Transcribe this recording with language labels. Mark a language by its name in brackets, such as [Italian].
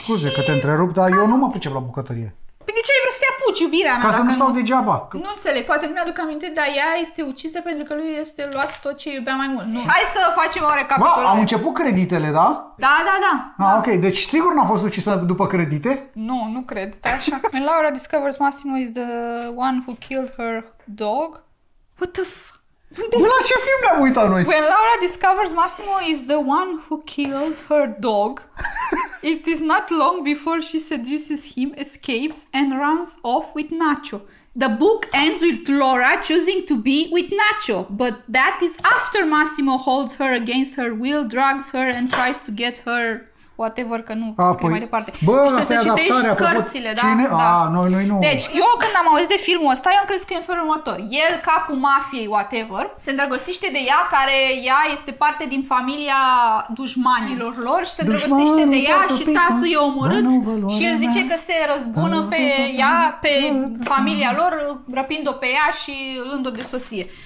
[Romanian] Scuze că te întrerup, dar eu nu mă pricep la bucătărie. Păi de ce ai vrut să te apuci, iubirea mea? Ca să nu stau degeaba. Nu înțeleg, poate nu mi-aduc aminte, dar ea este ucisă pentru că lui este luat tot ce iubea mai mult. Nu. Hai să facem o recapitulare. Am început creditele, da? Da, da, da. Ok, deci sigur n-a fost ucisă după credite? Nu, nu cred, stai așa. [English] When Laura discovers Massimo is the one who killed her dog. What the fuck? La ce film ne-am uitat noi? When Laura discovers Massimo is the one who killed her dog. It is not long before she seduces him, escapes, and runs off with Nacho. The book ends with Laura choosing to be with Nacho, but that is after Massimo holds her against her will, drags her, and tries to get her... [Romanian] Whatever, că nu scrie mai departe. Bă, și să citești cărțile, da? Cine? Da. Noi nu. Deci, eu când am auzit de filmul ăsta, eu am crezut că e în felul următor. El, capul mafiei, whatever, se îndrăgostește de ea, care ea este parte din familia dușmanilor lor, și se îndrăgostește de ea și Tasu e omorât și el zice că se răzbună pe ea, pe familia lor, răpind-o pe ea și luând-o de soție.